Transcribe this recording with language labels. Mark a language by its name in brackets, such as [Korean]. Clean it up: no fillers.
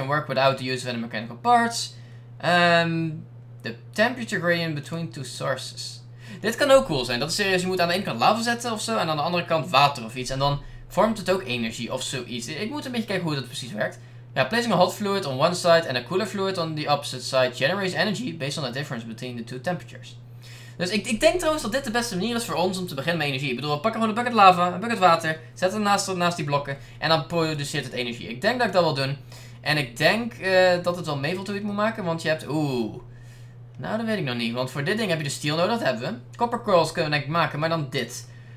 [English] And work without the use of any mechanical parts. The temperature gradient between two sources. [Dutch] Dit kan ook cool zijn. Dat is serieus. Je moet aan de ene kant lava zetten ofzo. En aan de andere kant water of iets. En dan vormt het ook energie of zoiets. Ik moet een beetje kijken hoe dat precies werkt. [English] Ja, placing a hot fluid on one side and a cooler fluid on the opposite side generates energy based on the difference between the two temperatures. [Dutch] Dus ik denk trouwens dat dit de beste manier is voor ons om te beginnen met energie. Ik bedoel, we pakken gewoon een bucket lava, een bucket water, zetten het naast die blokken en dan produceert het energie. Ik denk dat ik dat wil doen. En ik denk dat het wel meevalt hoe ik moet maken, want je hebt... Oeh. Nou, dat weet ik nog niet, want voor dit ding heb je de steel nodig, dat hebben we. Copper coils kunnen we denk ik maken, maar dan dit.